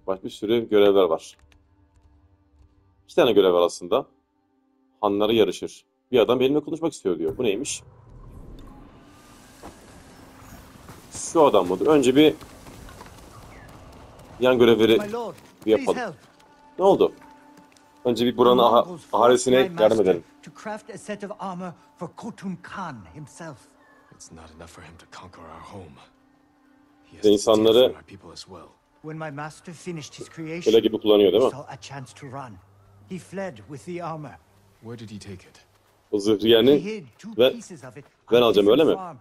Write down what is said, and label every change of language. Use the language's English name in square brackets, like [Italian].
[Turkish] Bak, bir sürü görevler var. İki tane görev var aslında. Hanları yarışır. Bir adam benimle konuşmak istiyor diyor. Bu neymiş? Şu adam mıdır? Önce bir yan görevleri bir yapalım. Ne oldu? Önce bir buranın ahalisine yardım edelim. [English] To craft a set of armor for Khotun Khan himself. It's not enough for him to conquer our home. He has to save our people as well. When my master finished his creation, he saw a chance to run. He fled with the armor. Where did he take it? [Turkish] O zırhiyeni ben alacağım, öyle mi?